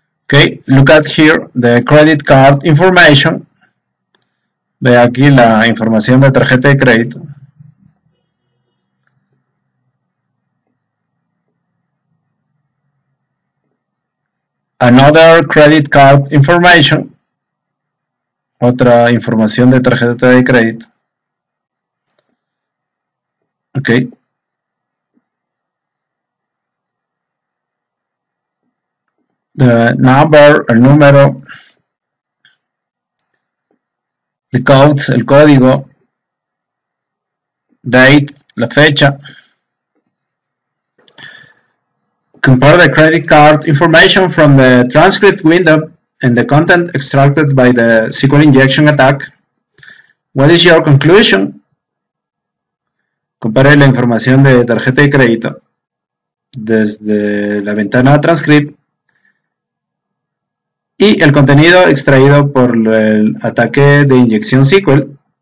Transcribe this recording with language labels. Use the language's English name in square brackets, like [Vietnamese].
[English] Okay, look at here the credit card information. [Spanish] Ve aquí la información de tarjeta de crédito. [English] Another credit card information. [Spanish] Otra información de tarjeta de crédito. [English] Okay. The number, [Spanish] el número. [English] The code, [Spanish] el código. [English] Date, [Spanish] la fecha. [English] Compare the credit card information from the transcript window and the content extracted by the SQL injection attack. What is your conclusion? [Spanish] Compare la información de tarjeta de crédito desde la ventana transcript y el contenido extraído por el ataque de inyección SQL.